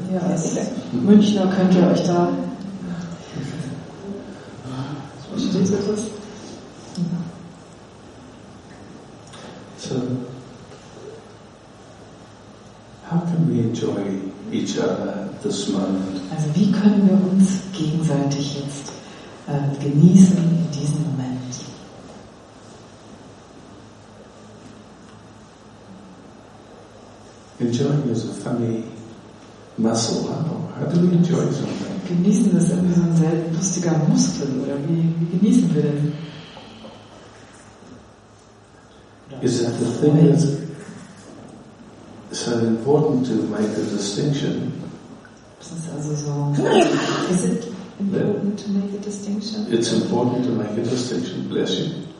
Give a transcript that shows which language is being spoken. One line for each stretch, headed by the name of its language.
German: Ja, als Münchner könnt ihr euch da.
English: So, how can we enjoy each other this moment?
German: Also, wie können wir uns gegenseitig jetzt genießen in diesem Moment?
English: Enjoying is a funny muscle. How do we enjoy something?
German: Genießen das irgendwie so ein sehr lustiger Muskel oder wie genießen wir denn?
English: Is it the thing that's so important to make a distinction?
German: Ist es also so? Ist es
English: important to make a distinction. It's important to make a distinction. Bless you.